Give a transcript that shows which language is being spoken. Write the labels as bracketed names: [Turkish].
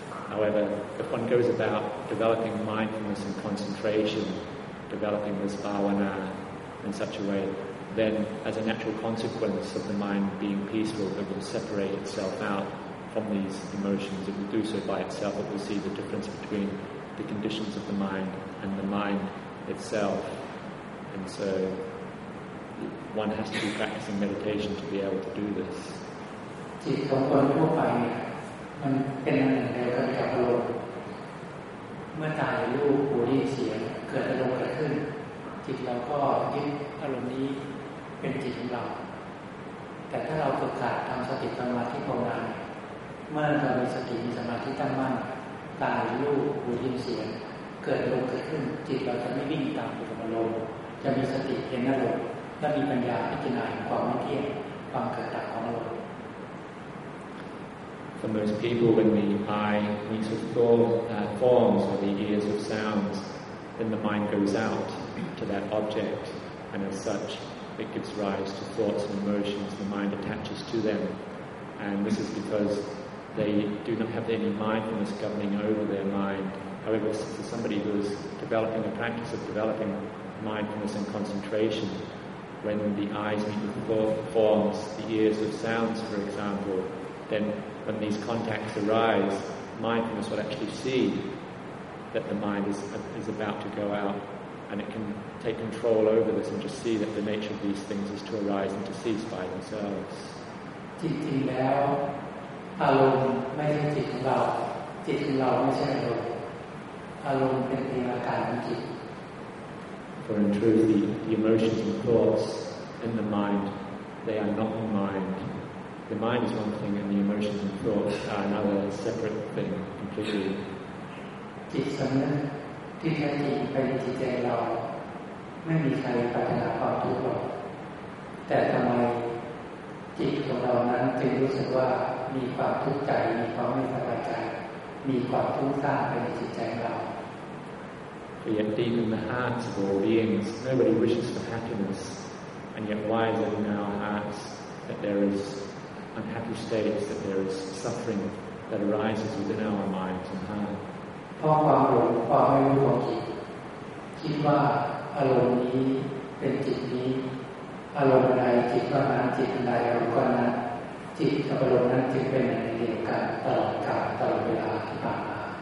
[English] However, if one goes about developing mindfulness and concentration, developing this bhavana in such a way, then as a natural consequence of the mind being peaceful, it will separate itself out from these emotions. It will do so by itself. It will see the difference between the conditions of the mind and the mind itself, and so one has to be practicing meditation to be able to do this. [Thai] จิตของคนทั่วไปเนี่ยมันเป็นอันเดียวกันกับอารมณ์เมื่อตายรูปหูได้เสียงเกิดอารมณ์เกิดขึ้นจิตเราก็ยึดอารมณ์นี้เป็นจิตของเราแต่ถ้าเราฝึกหัดทำสติสมาธิภาวนาเมื่อเรามีสติมีสมาธิตั้งมั่นตายรูปหูยินเสียงเกิดอารมณ์เกิดขึ้นจิตเราจะไม่วิ่งตามอารมณ์จะมีสติเห็นอารมณ์และมีปัญญาพิจารณาความไม่เที่ยงความเกิดดับของอารมณ์ [English] For most people, when the eye meets with forms or the ears with sounds, then the mind goes out to that object, and as such, it gives rise to thoughts and emotions. The mind attaches to them, and this is becauseThey do not have any mindfulness governing over their mind. However, for somebody who is developing a practice of developing mindfulness and concentration, when the eyes meet with forms, the ears with sounds, for example, then when these contacts arise, mindfulness will actually see that the mind is about to go out, and it can take control over this and just see that the nature of these things is to arise and to cease by themselves. Did you know? [Thai] อารมณ์ไม่ใช่จิตของเราจิตของเราไม่ใช่อารมณ์อารมณ์เป็นเพียงอาการของจิต [English] For in truth the emotions and thoughts in the mind they are not the mind. The mind is one thing and the emotions and thoughts are another separate thing completely. [Thai] จิตสำนึกที่แท้จริงเป็นจิตใจเราไม่มีใครปรารถนาความทุกข์หรอกแต่ทำไมจิตของเรานั้นจึงรู้สึกว่ามีความทุกข์ใจมีความไม่สบายใจมีความฟุ้งซ่านในจิตใจเรา [English] For yet deep in the hearts of all beings, nobody wishes for happiness, and yet why is it in our hearts that there is unhappy states, that there is suffering that arises within our minds and heart? [Thai] เพราะความหลงความไม่รู้ของจิตคิดว่าอารมณ์นี้เป็นจิตนี้อารมณ์ใดจิตก็นั้นจิตใดอารมณ์ก็นั้นจิตอารมณ์นั้นจึงเป็นเดียวกันตลอดกาลตลอดเวลาที่ผ่านมา